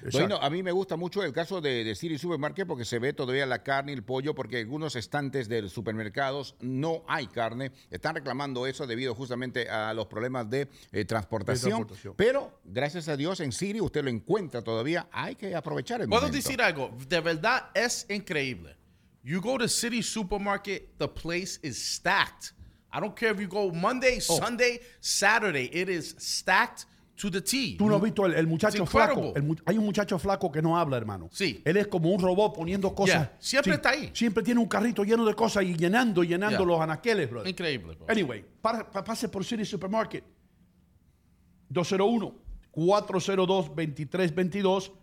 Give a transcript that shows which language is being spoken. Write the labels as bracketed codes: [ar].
[es] Bueno, a mí me gusta mucho el caso de City Supermarket porque se ve todavía la carne y el pollo porque algunos estantes de supermercados no hay carne. Están reclamando eso debido justamente a los problemas de transportación. Pero gracias a Dios en City usted lo encuentra todavía. Hay que aprovechar el momento. Puedo decir algo. De verdad es increíble. [en] You go to City Supermarket, the place is stacked. I don't care if you go Monday, Sunday, Saturday. It is stacked to the T. [es] Tú no has visto el muchacho flaco. Hay un muchacho flaco que no habla, hermano. Sí. Él es como un robot poniendo cosas. Yeah. Siempre está ahí. Siempre tiene un carrito lleno de cosas y llenando yeah. los anaqueles, brother. Increíble, bro. Anyway, pase por City Supermarket. 201-402-2322.